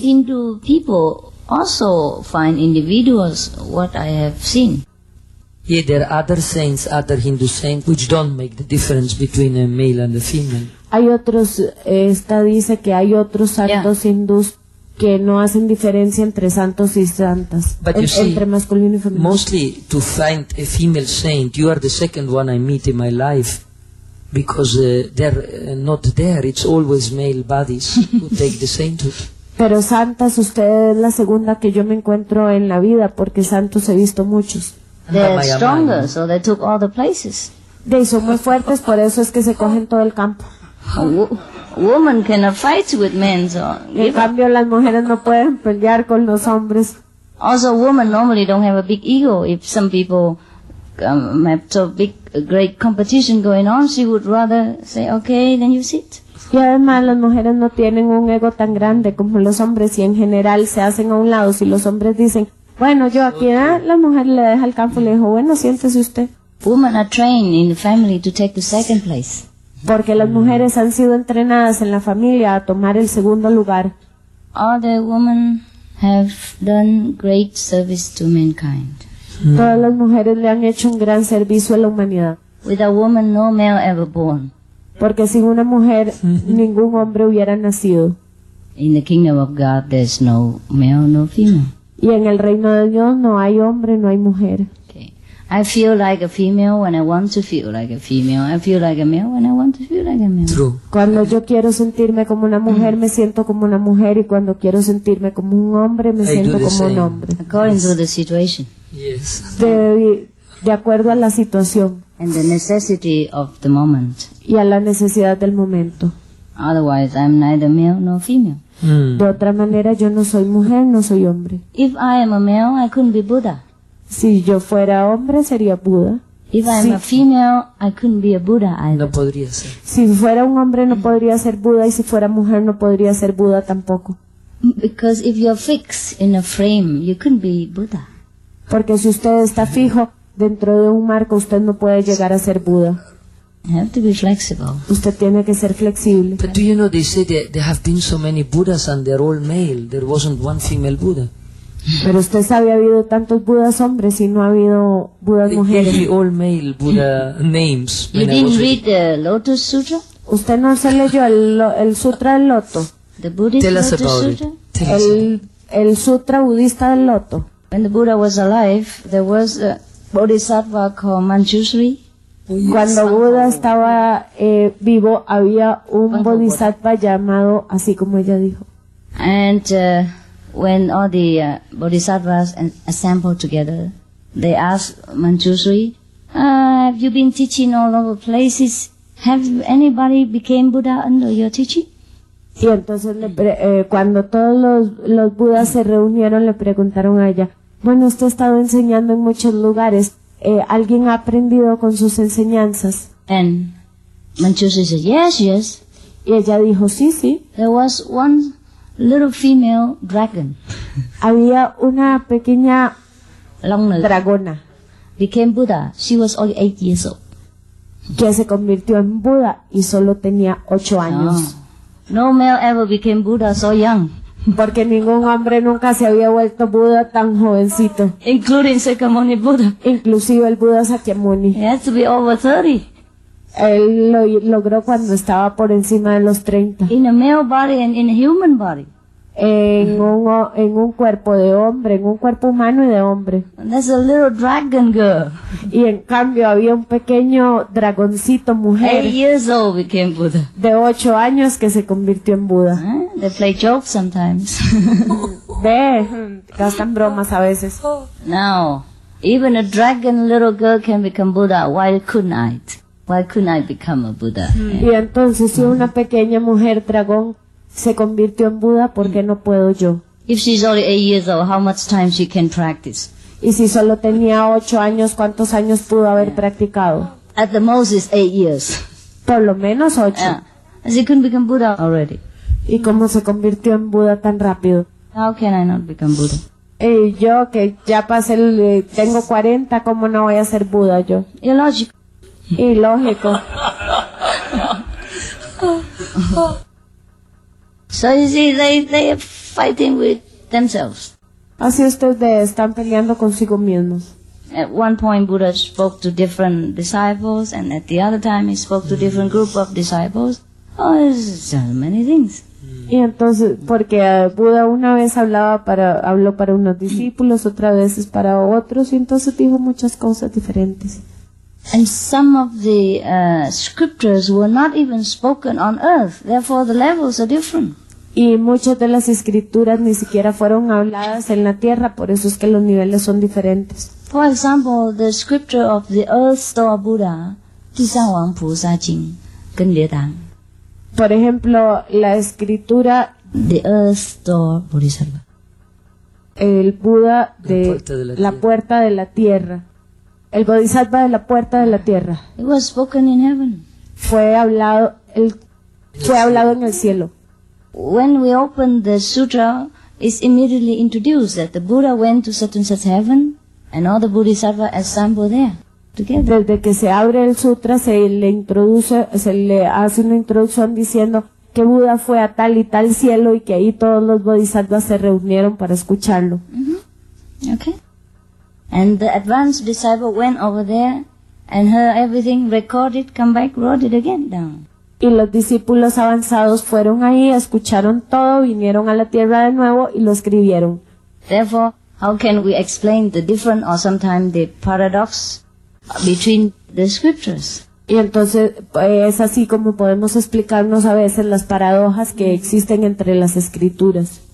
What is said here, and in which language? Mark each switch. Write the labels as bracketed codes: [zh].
[en] Hindu people also find individuals what I have seen. Yeah, there are other saints, other Hindu saints, which don't make the difference between a male and a female. [es] Hay otros, esta dice que hay otros santos hindús que no hacen diferencia entre santos y santas, entre masculino y femenino. [en] Mostly to find a female saint, you are the second one I meet in my life, because they're not there, it's always male bodies who take the sainthood. [es] Pero santas, usted es la segunda que yo me encuentro en la vida, porque santos he visto muchos. [en] They're stronger, so they took all the places. [es] They son muy fuertes, por eso es que se cogen todo el campo. [en] Women cannot fight with men, so. [es] En cambio, las mujeres no pueden pelear con los hombres. [en] Also, women normally don't have a big ego. If some people have a big, great competition going on, she would rather say, okay, then you sit. [es] Y además, las mujeres no tienen un ego tan grande como los hombres, y en general se hacen a un lado si los hombres dicen, bueno, yo aquí, ¿eh? La mujer le deja el campo y le dijo, bueno, siéntese usted. [en] Women are trained in the family to take the second place. [es] Porque las mujeres han sido entrenadas en la familia a tomar el segundo lugar. [en] All the women have done great service to mankind. [es] Todas las mujeres le han hecho un gran servicio a la humanidad. [en] With a woman, no male ever born. [es] Porque sin una mujer, ningún hombre hubiera nacido. [en] In the kingdom of God, there's no male, no female. [es] Y en el reino de Dios no hay hombre, no hay mujer. [en] Okay. I feel like a female when I want to feel like a female. I feel like a male when I want to feel like a male. True. [es] Cuando yo quiero sentirme como una mujer, me siento como una mujer, y cuando quiero sentirme como un hombre, me siento como un hombre. [en] According to the situation. Yes. [es] De acuerdo a la situación. [en] And the necessity of the moment. [es] Y a la necesidad del momento. [en] Otherwise, I'm neither male nor female. [es] De otra manera, yo no soy mujer, no soy hombre. [en] If I am a male, I couldn't be Buddha. [es] Si yo fuera hombre, sería Buda. [en] If I am a female, I couldn't be a Buddha either. [es] No podría ser. Si fuera un hombre, no podría ser Buda, y si fuera mujer, no podría ser Buda tampoco. [en] Because if you're fixed in a frame, you couldn't be Buddha. [es] Porque si usted está fijo dentro de un marco, usted no puede llegar a ser Buda. [en] You have to be flexible. [es] Usted tiene que ser flexible. [en] But do you know, they say that there have been so many Buddhas and they're all male. There wasn't one female Buddha. [es] Pero usted sabe, ha habido tantos Buddhas hombres y no ha habido Buddhas mujeres. [en] They're all male Buddha names. You didn't read the Lotus Sutra? [es] ¿Usted no se leyó el Sutra del Loto? [en] The Buddhist Tell Lotus us about Sutra? It. Tell [es] el Sutra budista del Loto. [en] When the Buddha was alive, there was a bodhisattva called Manjushri. [es] Cuando Buda estaba vivo, había un bodhisattva llamado así como ella dijo. [en] And when all the bodhisattvas assembled together, they asked Manjushri, have you been teaching all over places? Have anybody became Buddha under your teaching? [es] Y entonces cuando todos los Budas se reunieron, le preguntaron a ella, bueno, usted ha estado enseñando en muchos lugares. ¿Alguien ha aprendido con sus enseñanzas? [en] And Manjushri said, yes, yes. [es] Y ella dijo, sí, sí. [en] There was one little female dragon. [es] Había una pequeña [en] Long-nose [es] dragona. [en] Became Buddha. She was only 8 years old. [es] Que se convirtió en Buddha y solo tenía 8 años. [en] No. No male ever became Buddha so young. [es] Porque ningún hombre nunca se había vuelto Buda tan jovencito. [en] Including Sakyamuni Buddha. [es] Inclusive el Buda Sakyamuni. [en] He has to be over 30. [es] Él lo logró cuando estaba por encima de los 30. [en] In a male body and in a human body. [es] En un cuerpo de hombre, en un cuerpo humano y de hombre. [en] And there's a little dragon girl. [es] Y en cambio había un pequeño dragoncito mujer. [en] 8 years old became Buddha. [es] De 8 años que se convirtió en Buda. [en] They play jokes sometimes. [es] Ve, gastan bromas a veces. [en] Now, even a dragon little girl can become Buddha. Why couldn't I? Why couldn't I become a Buddha? [es] Y entonces si una pequeña mujer dragón se convirtió en Buda, ¿por qué no puedo yo? [en] If she's only 8 years old, how much time she can practice? [es] Y si solo tenía 8 años, ¿cuántos años pudo haber practicado? [en] At the most is 8 years. [es] Por lo menos 8. [en] Yeah. She couldn't become Buddha already. [es] ¿Y cómo se convirtió en Buda tan rápido? [en] How can I not become Buddha? [es] Y yo que ya pasé, tengo 40, ¿cómo no voy a ser Buda yo? Ilógico. Ilógico. [en] So you see, they are fighting with themselves. [es] Así ustedes están peleando consigo mismos. [en] At one point, Buddha spoke to different disciples, and at the other time, he spoke to different group of disciples. Oh, there's so many things. [es] Y entonces, porque Buda una vez habló para unos discípulos, otra vez es para otros, y entonces dijo muchas cosas diferentes. [en] And some of the scriptures were not even spoken on earth, therefore the levels are different. [es] Y muchas de las escrituras ni siquiera fueron habladas en la tierra, por eso es que los niveles son diferentes. [en] For example, the scripture of the earth store Buddha, Tisawang Pusa Jing, Gendetang. [es] Por ejemplo, la escritura [en] The Earth Door Bodhisattva. [es] El Buda de la puerta de la tierra. El Bodhisattva de la puerta de la tierra. [en] It was spoken in heaven. [es] Fue hablado en el cielo. [en] When we open the sutra, it's immediately introduced that the Buddha went to such and such heaven and all the Bodhisattva assembled there. [es] Desde que se abre el sutra se le hace una introducción diciendo que Buda fue a tal y tal cielo y que ahí todos los bodhisattvas se reunieron para escucharlo. [en] Mm-hmm. Okay. And the advanced disciple went over there and heard everything recorded, come back, wrote it again down. [es] Y los discípulos avanzados fueron ahí, escucharon todo, vinieron a la tierra de nuevo y lo escribieron. [en] Therefore, how can we explain the different or sometimes the paradox between the scriptures? [es] Y entonces es así como podemos explicarnos a veces las paradojas que existen entre las escrituras.